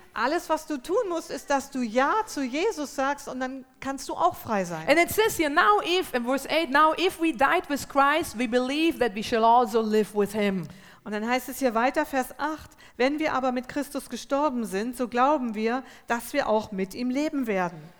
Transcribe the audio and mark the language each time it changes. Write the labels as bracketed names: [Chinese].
[German] Alles, was du tun musst, ist, dass du ja zu Jesus sagst und dann kannst du auch frei sein. [English] And it says here, now if, in verse 8, now if we died with Christ, we believe that we shall also live with him. [German] Und dann heißt es hier weiter, Vers 8, wenn wir aber mit Christus gestorben sind, so glauben wir, dass wir auch mit ihm leben werden.